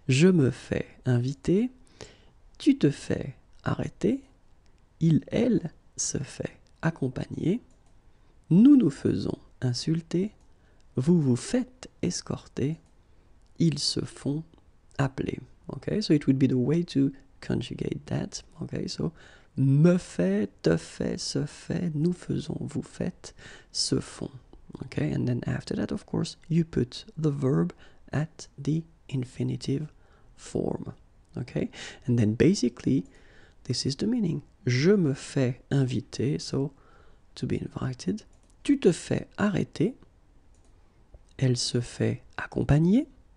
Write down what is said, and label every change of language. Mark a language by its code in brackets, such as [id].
[fr] Je me fais inviter, tu te fais arrêter, il, elle se fait accompagner, nous nous faisons insulter, vous vous faites escorter, ils se font appeler. [en] Okay, so it would be the way to conjugate that. Okay, so [fr] me fait, te fait, se fait, nous faisons, vous faites, se font. [en] Okay, and then after that, of course, you put the verb at the infinitive form. Okay, and then basically, this is the meaning. [fr] Je me fais inviter, [en] so to be invited. [fr] Tu te fais arrêter. Elle se fait accompagner.